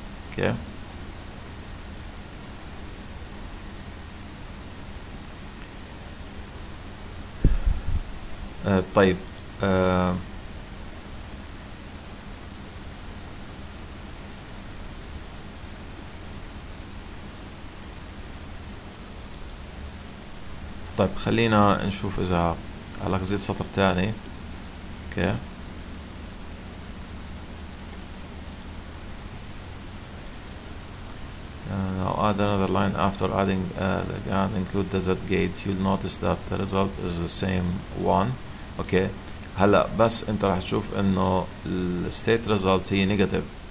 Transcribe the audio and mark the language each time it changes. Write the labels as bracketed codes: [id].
[ar] اوكي طيب طيب خلينا نشوف اذا هلا زيد سطر ثاني. [en] Okay now add another line after adding and include the Z gate you'll notice that the result is the same one. [ar] اوكي هلا بس انت راح تشوف انه الستيت ريزلت هي نيجاتيف.